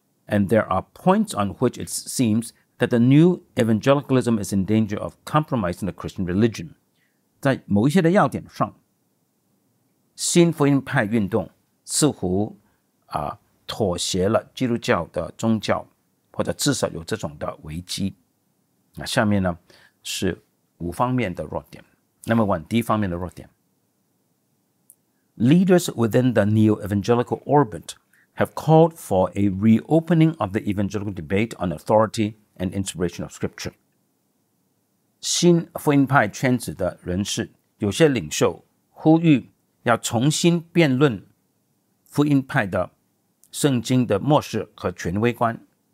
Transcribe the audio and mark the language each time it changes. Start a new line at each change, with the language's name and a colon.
English: And there are points on which it seems that the new evangelicalism is in danger of compromising the Christian religion.
Chinese: 在某一些的要点上，新福音派运动似乎妥协了基督教的宗教，或者至少有这种的危机。那下面呢，是五方面的弱点。
English: Number one，
Chinese: 第一方面的弱点。
English: Leaders within the neo-evangelical orbit have called for a reopening of the evangelical debate on authority and inspiration of scripture.
Chinese: 新福音派圈子的人士，有些领袖呼吁要重新辩论福音派的圣经的默示和权威观。